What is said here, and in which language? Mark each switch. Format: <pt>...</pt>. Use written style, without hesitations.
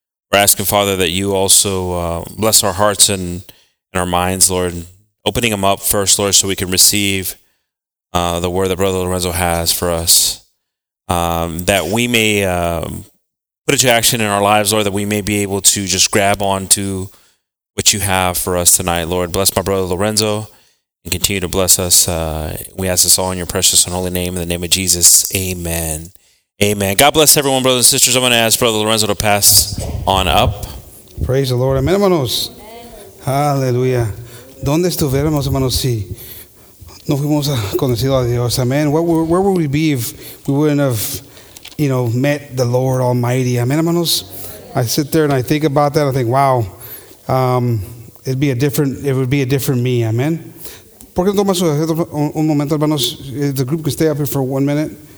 <en>We're asking, Father, that you also bless our hearts and our minds, Lord, opening them up first, Lord, so we can receive the word that Brother Lorenzo has for us, that we may put it to action in our lives, Lord, that we may be able to just grab on to what you have for us tonight, Lord. Bless my brother Lorenzo and continue to bless us. We ask this all in your precious and holy name, in the name of Jesus. Amen. Amen. God bless everyone, brothers and sisters. I'm going to ask Brother Lorenzo to pass on up. Praise the Lord. Amen, hermanos. Hallelujah.</en> <es>¿Dónde estuviéramos, hermanos, si no fuimos a conocido a Dios?</es> <en>Amen. Where would we be if we wouldn't have, you know, met the Lord Almighty? Amen, hermanos. I sit there and I think about that. I think, wow, it would be a different me. Amen.</en> <es>¿Por qué no tomas un momento, hermanos?</es> <en>The group can stay up here for 1 minute.</en>